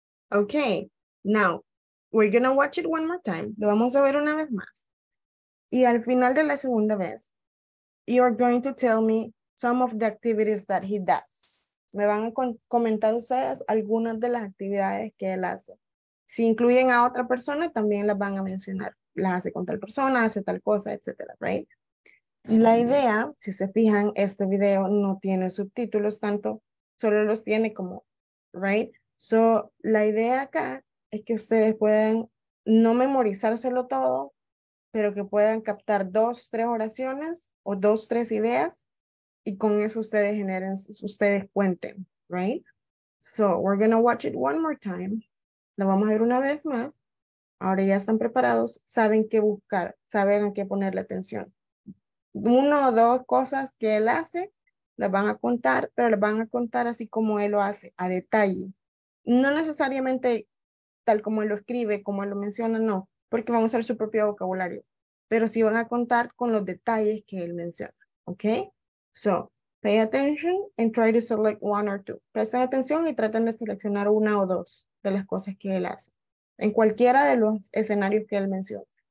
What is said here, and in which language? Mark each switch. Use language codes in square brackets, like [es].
[en] Okay, now we're gonna watch it one more time. [es] Lo vamos a ver una vez más. Y al final de la segunda vez, [en] you're going to tell me some of the activities that he does. [es] Me van a comentar ustedes algunas de las actividades que él hace. Si incluyen a otra persona, también las van a mencionar. Las hace con tal persona, hace tal cosa, etcétera, right? La idea, si se fijan, este video no tiene subtítulos tanto, solo los tiene como, right? So, la idea acá es que ustedes puedan no memorizárselo todo, pero que puedan captar 2-3 oraciones o 2-3 ideas, y con eso ustedes generen, ustedes cuenten, right? [en] So, we're gonna watch it one more time. [es] Lo vamos a ver una vez más. Ahora ya están preparados, saben qué buscar, saben a qué ponerle atención. 1 o 2 cosas que él hace, las van a contar, pero las van a contar así como él lo hace, a detalle. No necesariamente tal como él lo escribe, como él lo menciona, no. Porque van a usar su propio vocabulario. Pero sí van a contar con los detalles que él menciona. ¿Ok? [en] So, pay attention and try to select 1 or 2. [es] Presten atención y traten de seleccionar 1 o 2 de las cosas que él hace. En cualquiera de los escenarios que él menciona.